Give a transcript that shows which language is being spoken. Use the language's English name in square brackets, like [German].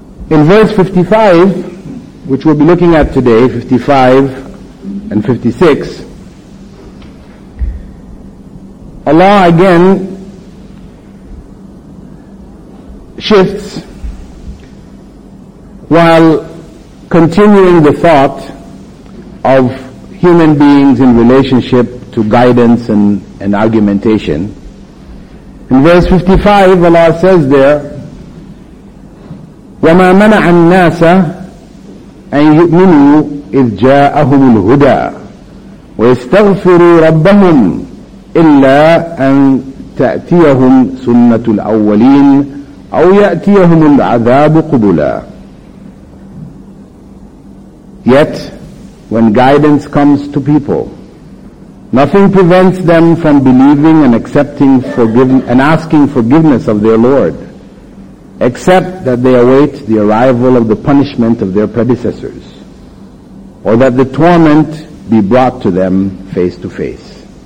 [English] In verse 55, which we'll be looking at today, 55 and 56, Allah again shifts while continuing the thought of human beings in relationship to guidance and argumentation. [Arabic] In verse 55, Allah says there, وَمَا مَنَعَ النَّاسَ أَن يُؤْمِنُوا إِذْ جَاءَهُمُ الْهُدَىٰ ويستغفروا ربهم إلا أن تأتيهم سنة الأولين أو يأتيهم العذاب قبلا. [English] Yet, when guidance comes to people, nothing prevents them from believing and accepting and asking forgiveness of their Lord, except that they await the arrival of the punishment of their predecessors, or that the torment be brought to them face to face.